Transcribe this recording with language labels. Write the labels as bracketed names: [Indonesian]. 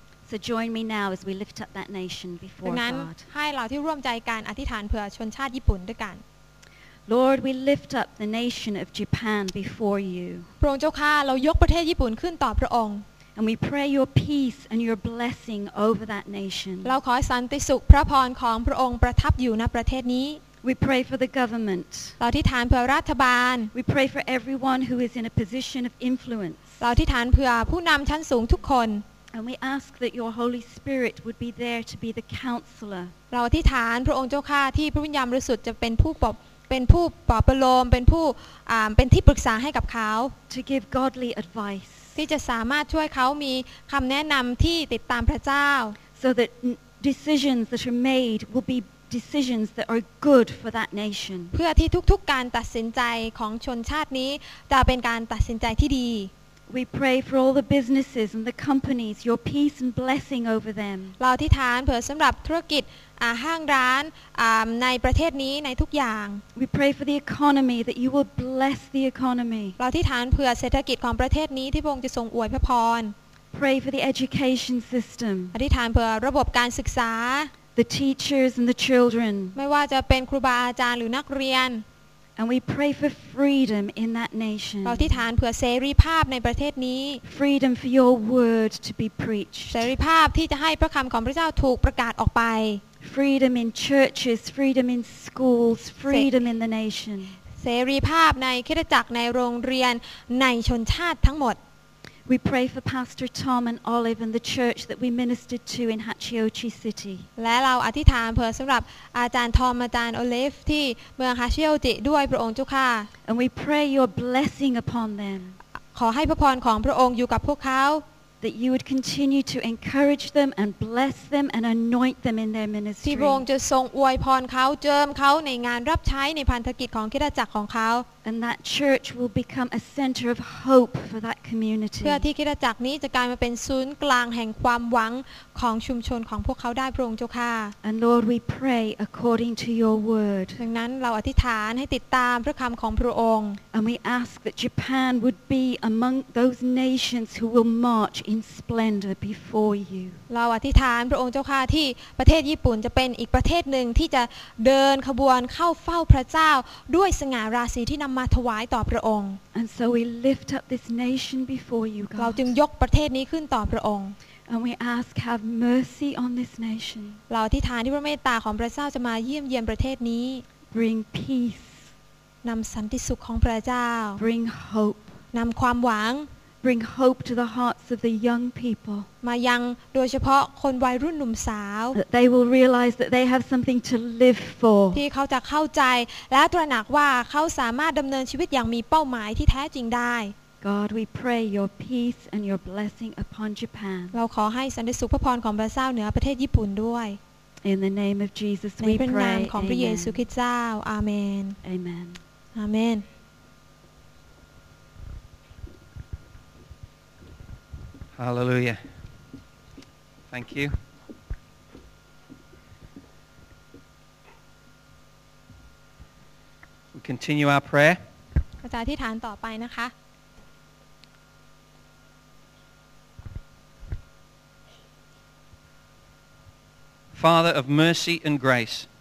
[English] So join me now as we lift up that nation before God. [Thai] ดังนั้นให้เราที่ร่วมใจกันอธิษฐานเพื่อชนชาติญี่ปุ่นด้วยกัน [English] Lord, we lift up the nation of Japan before you. [Thai] พระองค์เจ้าข้าเรายกประเทศญี่ปุ่นขึ้นต่อพระองค์ [English] And we pray your peace and your blessing over that nation. [Thai] เราขอสันติสุขพระพรของพระองค์ประทับอยู่ณประเทศนี้ [English] We pray for the government. [Thai] เราอธิษฐานเพื่อรัฐบาล [English] We pray for everyone who is in a position of influence. [Thai] เราอธิษฐานเพื่อผู้นำชั้นสูงทุกคน [English] And we ask that your Holy Spirit would be there to be the counselor. [Thai] เราอธิษฐานพระองค์เจ้าข้าที่พระวิญญาณบริสุทธิ์จะเป็นผู้ปกเป็นผู้ปลอบประโลมเป็นผู้เป็นที่ปรึกษาให้กับเขา [English] to give godly advice. [Thai] ที่จะสามารถช่วยเขามีคำแนะนำที่ติดตามพระเจ้า [English] so that decisions that are made will be decisions that are good for that nation. [Thai] เพื่อที่ทุกๆการตัดสินใจของชนชาตินี้จะเป็นการตัดสินใจที่ดี [English] We pray for all the businesses and the companies, your peace and blessing over them. [Thai] เราอธิษฐานเผื่อสำหรับธุรกิจห้างร้านในประเทศนี้ในทุกอย่าง [English] We pray for the economy that you will bless the economy. [Thai] เราอธิษฐานเผื่อเศรษฐกิจของประเทศนี้ที่พระองค์จะทรงอวยพระพร [English] Pray for the education system. [Thai] อธิษฐานเผื่อระบบการศึกษา [English] The teachers and the children. [Thai] ไม่ว่าจะเป็นครูบาอาจารย์หรือนักเรียน [English] And we pray for freedom in that nation. [Thai] เราอธิษฐานเพื่อเสรีภาพในประเทศนี้ [English] Freedom for your word to be preached. [Thai] เสรีภาพที่จะให้พระคำของพระเจ้าถูกประกาศออกไป [English] Freedom in churches, freedom in schools, freedom in the nation. [Thai] เสรีภาพในคริสตจักรในโรงเรียนในชนชาติทั้งหมด [English] We pray for Pastor Tom and Olive and the church that we ministered to in Hachioji City. [Thai] และเราอธิษฐานเพื่อสำหรับอาจารย์ทอมอาจารย์โอลิฟที่เมืองฮาชิโอจิด้วยพระองค์เจ้าค่ะ [English] And we pray your blessing upon them. [Thai] ขอให้พระพรของพระองค์อยู่กับพวกเขา [English] That you would continue to encourage them and bless them and anoint them in their ministry. [Thai] ที่พระองค์จะทรงอวยพรเขาเจิมเขาในงานรับใช้ในพันธกิจของคริสตจักรของเขา [English] And that church will become a center of hope for that community. [Thai] เพื่อที่คริสตจักรนี้จะกลายมาเป็นศูนย์กลางแห่งความหวังของชุมชนของพวกเขาได้พระองค์เจ้าค่ะ [English] And Lord, we pray according to your word. [Thai] ดังนั้นเราอธิษฐานให้ติดตามพระคำของพระองค์ [English] And we ask that Japan would be among those nations who will march in splendor before you. [Thai] เราอธิษฐานพระองค์เจ้าค่ะที่ประเทศญี่ปุ่นจะเป็นอีกประเทศหนึ่งที่จะเดินขบวนเข้าเฝ้าพระเจ้าด้วยสง่าราศีที่มาถวายต่อพระองค์ [English] And so we lift up this nation before you God [Thai] เราจึงยกประเทศนี้ขึ้นต่อพระองค์ [English] And we ask have mercy on this nation [Thai] เราอธิษฐานที่พระเมตตาของพระเจ้าจะมาเยี่ยมเยียนประเทศนี้ [English] Bring peace [Thai] นำสันติสุขของพระเจ้า [English] Bring hope [Thai] นำความหวัง [English] Bring hope to the hearts of the young people [Thai] มายังโดยเฉพาะคนวัยรุ่นหนุ่มสาว [English] That they will realize that they have something to live for [Thai] ที่เขาจะเข้าใจและตระหนักว่าเขาสามารถดำเนินชีวิตอย่างมีเป้าหมายที่แท้จริงได้ [English] God we pray your peace and your blessing upon Japan [Thai] เราขอให้สันติสุขพระพรของพระเจ้าเหนือประเทศญี่ปุ่นด้วย [English] In the name of Jesus we pray [Thai] ในพระนามของพระเยซูคริสต์เจ้าอาเมน [English] Amen Amen Hallelujah. Thank you. We continue our prayer. [Thai] อาจารย์อธิษฐานต่อไปนะคะ [English] Father of mercy and grace.